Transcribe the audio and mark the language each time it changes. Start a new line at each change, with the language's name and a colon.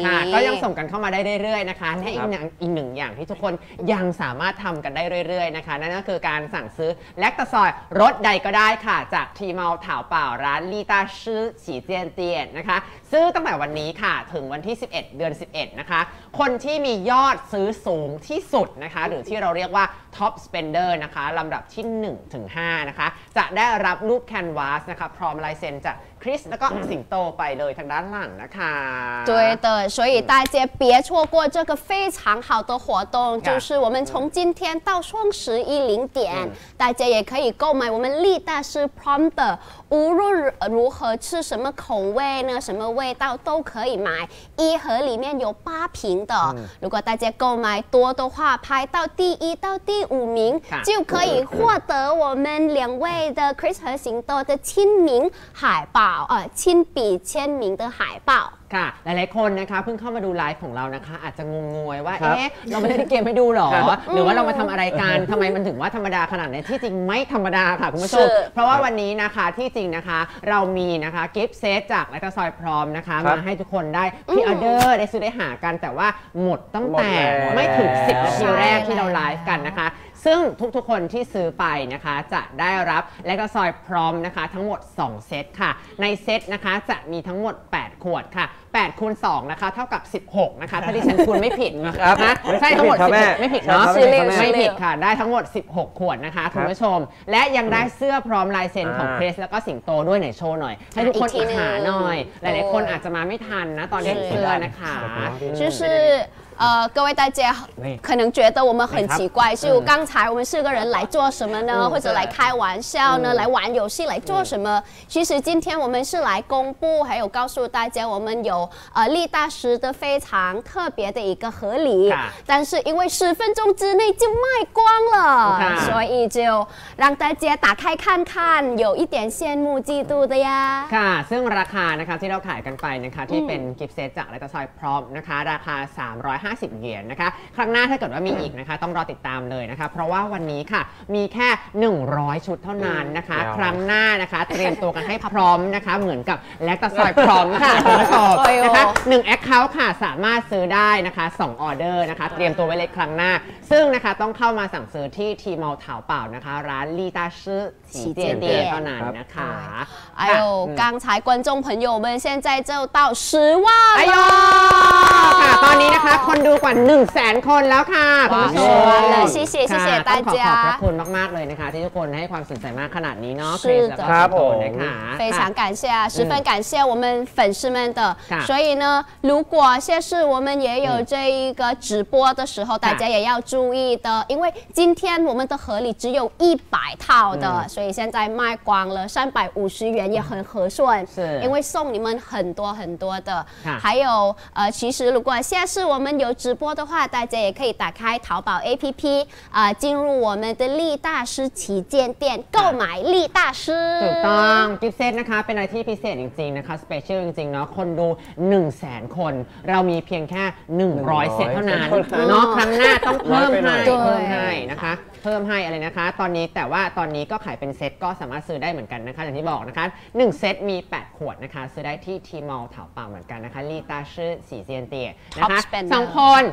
Thai: ก็ยังส่งกันเข้ามาได้เรื่อยๆนะคะและอีกหนึ่งอย่างที่ทุกคนยังสามารถทำกันได้เรื่อยๆนะคะนั่นก็คือการสั่งซื้อแล็กตะซอยรถใดก็ได้ค่ะจากทีมอลเถาเป่าร้านลีตาซื้อฉีเจียนเตียนนะคะซื้อตั้งแต่วันนี้ค่ะถึงวันที่11เดือน11นะคะคนที่มียอดซื้อสูงที่สุดนะคะหรือที่เราเรียกว่าท็อปสเปนเดอร์นะคะลำดับที่1ถึง5นะคะจะได้รับรูปแคนวาสนะคะพร้อมลายเซ็นจากคริสแล้วก็สิงโตไปเลยทางด้านหลังนะคะ ถูกต้อง
Chinese: 所以大家别错过这个非常好的活动就是我们从今天到双十一零点大家也可以购买我们立大师 prom 的无论如何吃什么口味呢什么味道都可以买一盒里面有八瓶的如果大家购买多的话排到第一到第五名就可以获得我们两位的 Chris 和行动的签名海报亲笔签名的海报
Thai: ค่ะหลายๆคนนะคะเพิ่งเข้ามาดูไลฟ์ของเรานะคะอาจจะงงๆว่าเอ๊ะเราไม่ได้เกมให้ดูหรอหรือว่าเรามาทำอะไรกันทำไมมันถึงว่าธรรมดาขนาดนี้ที่จริงไม่ธรรมดาค่ะคุณผู้ชมเพราะว่าวันนี้นะคะที่จริงนะคะเรามีนะคะกิฟต์เซตจากไลฟ์สไตล์พร้อมนะคะมาให้ทุกคนได้พี่ออเดอร์ได้ซื้อได้หากันแต่ว่าหมดตั้งแต่ ไม่ถึง10นาทีแรกที่เราไลฟ์กันนะคะซึ่งทุกๆคนที่ซื้อไปนะคะจะได้รับและก็ซอยพร้อมนะคะทั้งหมด2เซตค่ะในเซตนะคะจะมีทั้งหมด8ขวดค่ะ8คูณ2นะคะเท่ากับ16นะคะถ้าดิฉันคูณไม่ผิดนะ ครับ นะใช่ทั้งหมด 16 ไม่ผิดเนาะไม่ผิดค่ะได้ทั้งหมด16ขวดนะคะคุณผู้ชมและยังได้เสื้อพร้อมลายเซ็นของเพรสแล้วก็สิงโตด้วยหน่อยโชว์หน่อยให้ทุกคนหาหน่อยหลายๆคนอาจจะมาไม่ทันนะตอนได้เสื้อนะคะ ชื่อ
Chinese: 各位大家可能觉得我们很奇怪，就刚才我们四个人来做什么呢？或者来开玩笑呢？来玩游戏来做什么？其实今天我们是来公布，还有告诉大家，我们有力大师的非常特别的一个合理，但是因为十分钟之内就卖光了，所以就让大家打开看看，有一点羡慕嫉妒的呀。
Thai: ค่ะ ซึ่งราคานะคะที่เราขายกันไปนะคะที่เป็นกิฟต์เซตจากไลต์ซอยพร้อมนะคะราคา350เหรียญนะคะครั้งหน้าถ้าเกิดว่ามีอีกนะคะต้องรอติดตามเลยนะคะเพราะว่าวันนี้ค่ะมีแค่100ชุดเท่านั้นนะคะครั้งหน้านะคะเตรียมตัวกันให้พร้อมนะคะเหมือนกับแลกตะซอยพร้อมค่ะคุณผู้ชมนะคะ1 account ค่ะสามารถซื้อได้นะคะ2ออเดอร์นะคะเตรียมตัวไว้เลยครั้งหน้าซึ่งนะคะต้องเข้ามาสั่งซื้อที่ทีมอลเถาเป่านะคะร้านลีตาชื่อฉีเจเตียเท่านั้นนะคะ ไอโอ
Chinese: 刚才观众朋友们现在就到10万
Thai: ไอโอค่ะตอนนี้นะคะคนดูกว่า 100,000 คนแล้วค่ะคุณผู้ชม เลยขอบคุณค่ะ ต้องขอบคุณมากๆเลยนะคะที่ทุกคนให้ความสนใจมากขนาดนี้เนาะ ครับ ครับผมนะคะ
Chinese: 非常感谢十分感谢我们粉丝们的所以呢如果下次我们也有这一个直播的时候大家也要注意的因为今天我们的合理只有100套的所以现在卖光了350元也很合算是因为送你们很多很多的还有其实如果下次我们有直播的话大家也可以打开淘宝 APP 进入我们的力大师旗舰店购买力大师
Thai: ถูกต้องกิฟต์เซตนะคะเป็นอะไรที่พิเศษจริงๆนะคะสเปเชียลจริงๆเนาะคนดู 100,000 คนเรามีเพียงแค่100เซตเท่านั้นเนาะครั้งหน้าต้องเพิ่มให้เพิ่มให้นะคะเพิ่มให้อะไรนะคะตอนนี้แต่ว่าตอนนี้ก็ขายเป็นเซตก็สามารถซื้อได้เหมือนกันนะคะอย่างที่บอกนะคะ1เซตมี8ขวดนะคะซื้อได้ที่ทีมอลเถาเป่าเหมือนกันนะคะลีตาชื่อสีเซียนเตียนะคะสองคน